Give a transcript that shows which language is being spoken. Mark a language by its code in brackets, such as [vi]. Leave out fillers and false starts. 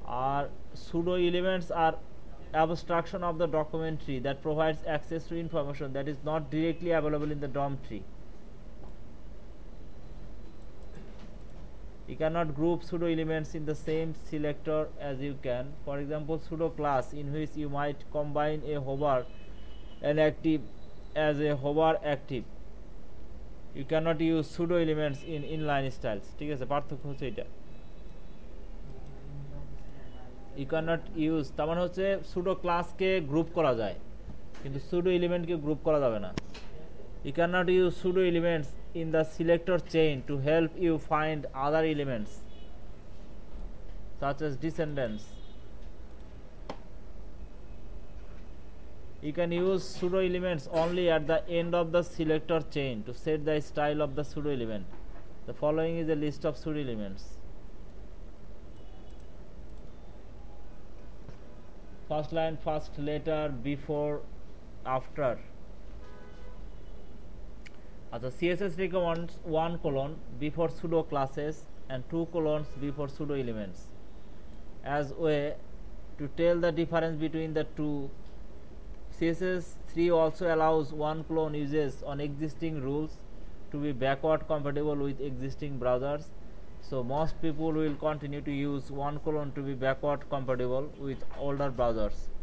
[en] Are pseudo elements are abstraction of the document tree that provides access to information that is not directly available in the DOM tree. You cannot group pseudo elements in the same selector as you can. For example, pseudo class in which you might combine a hover and active as a hover active. You cannot use pseudo elements in inline styles. [bn] ঠিক আছে, পার্থক্য হচ্ছে এটা। [en] You cannot use, [bn] তার মানে হচ্ছে pseudo classকে group করা যায় কিন্তু pseudo elementকে group করা যাবে না। [en] You cannot use pseudo elements in the selector chain to help you find other elements such as descendants. You can use pseudo elements only at the end of the selector chain to set the style of the pseudo element. The following is a list of pseudo elements. First line, first letter, before, after. আচ্ছা, CSS recommends one colon before pseudo classes and two colons before pseudo elements as way to tell the difference between the two. CSS three also allows one colon uses on existing rules to be backward compatible with existing browsers, so most people will continue to use one colon to be backward compatible with older browsers.